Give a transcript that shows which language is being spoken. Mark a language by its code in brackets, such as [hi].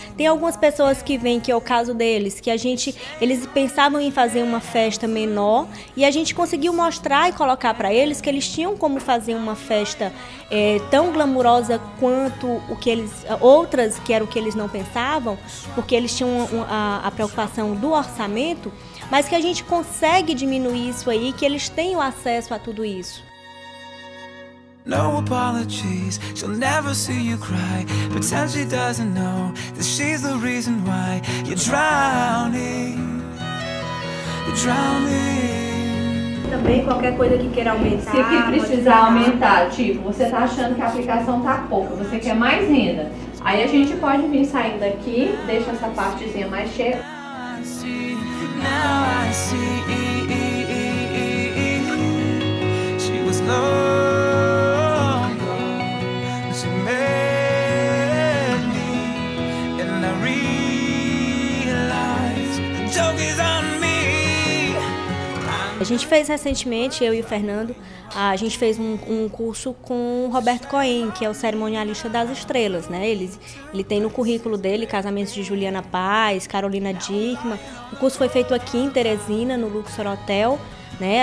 [pt] Tem algumas pessoas que vêm, que é o caso deles, que a gente, eles pensavam em fazer uma festa menor e a gente conseguiu mostrar e colocar para eles que eles tinham como fazer uma festa tão glamurosa quanto o que eles, outras, que era o que eles não pensavam, porque eles tinham a preocupação do orçamento, mas que a gente consegue diminuir isso aí, que eles tenham acesso a tudo isso. [en] No apologies, she'll never see you cry. Pretend she doesn't know that she's the reason why you're drowning. You're drowning. [pt] Também qualquer coisa que queira aumentar. Se que precisar aumentar, tipo, você tá achando que a aplicação tá pouca, você quer mais renda. Aí a gente pode vir saindo daqui, deixa essa partezinha mais cheia. [en] Now I see she was gone. She met me, and I realized the joke is on me. [pt] A gente fez recentemente, eu e o Fernando, a gente fez um curso com o Roberto Cohen, que é o cerimonialista das estrelas, né? Ele tem no currículo dele casamentos de Juliana Paz, Carolina Dieckmann. O curso foi feito aqui em Teresina, no Luxor Hotel, né?